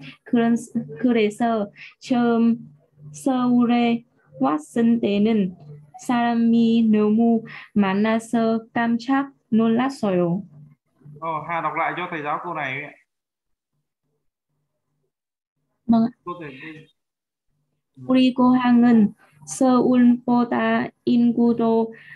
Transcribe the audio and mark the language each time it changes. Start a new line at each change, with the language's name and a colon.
Korean: 그래서 처음 서울에 왔을 때는 사람이 너무 많아서 깜짝 놀랐어요.
Vietnamese: 어, 하, đọc lại cho thầy giáo câu này.
Korean: Ừ. 우리 고향은 서울보다 인구도